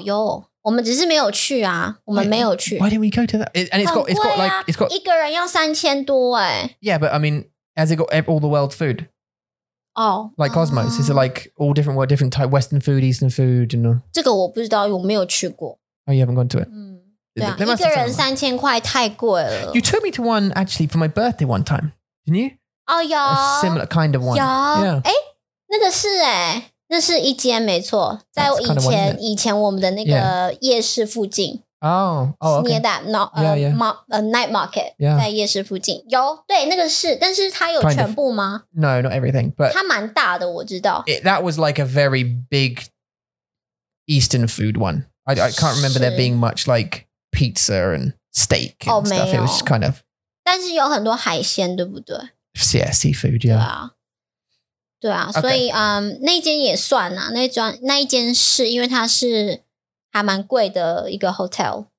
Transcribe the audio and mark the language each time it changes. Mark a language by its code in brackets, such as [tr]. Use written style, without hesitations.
[zh] 有，我们只是没有去啊，我们没有去。 [en] Why didn't we go to that? And it's got [zh] 一个人要3000多哎。 [en] Yeah, but I mean, has it got all the world's food? Oh, like Cosmos? Is it like all different world, different type, Western food, Eastern food, and? [zh] 这个我不知道，我没有去过。 [en] Oh, you haven't gone to it. [zh] 嗯，对啊，一个人3000块太贵了。 [en] You took me to one actually for my birthday one time, didn't you? Oh, yeah. A similar kind of one. Yeah. Yeah. [zh] 那是一间没错，在以前我们的那个夜市附近。 [en] Night market. Yeah. [zh] 在夜市附近有，对，那个是，但是它有全部吗？ [en] Kind of. No, not everything. But [zh] 它蛮大的，我知道。 [en] That was like a very big Eastern food one. I can't remember there being much like pizza and steak and stuff. [zh] 没有, [en] it was just kind of. [zh] 但是有很多海鲜，对不对？ [en] Yeah, seafood, yeah. [zh] 对啊，所以那一间也算啊，那一间是因为它是还蛮贵的一个hotel.